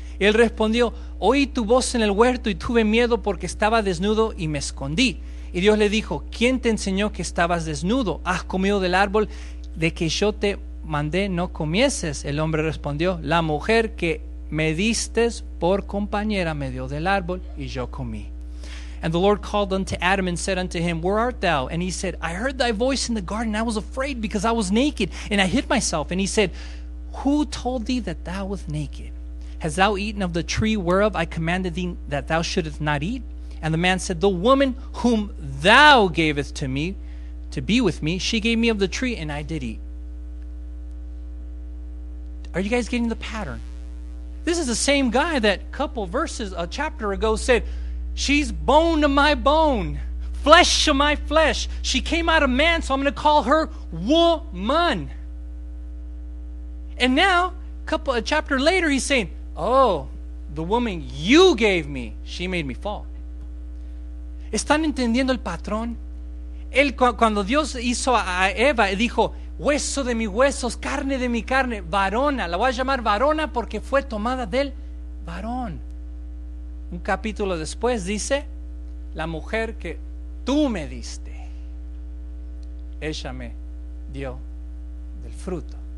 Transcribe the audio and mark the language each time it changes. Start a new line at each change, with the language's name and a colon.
Spanish: Él respondió, oí tu voz en el huerto y tuve miedo porque estaba desnudo y me escondí. Y Dios le dijo, ¿quién te enseñó que estabas desnudo? ¿Has comido del árbol de que yo te mandé no comieses? El hombre respondió, la mujer que me distes por compañera me dio del árbol y yo comí.
English: And the Lord called unto Adam and said unto him, where art thou? And he said, I heard thy voice in the garden. I was afraid because I was naked, and I hid myself. And he said, who told thee that thou was naked? Hast thou eaten of the tree whereof I commanded thee that thou shouldest not eat? And the man said, the woman whom thou gavest to me to be with me, she gave me of the tree, and I did eat. Are you guys getting the pattern? This is the same guy that a couple verses, a chapter ago, said, she's bone of my bone, flesh of my flesh. She came out of man, so I'm going to call her woman. And now, a chapter later, he's saying, oh, the woman you gave me, she made me fall.
Spanish: ¿Están entendiendo el patrón? Él, cuando Dios hizo a Eva, dijo, hueso de mis huesos, carne de mi carne, varona. La voy a llamar varona porque fue tomada del varón. Un capítulo después dice, la mujer que tú me diste, ella me dio del fruto.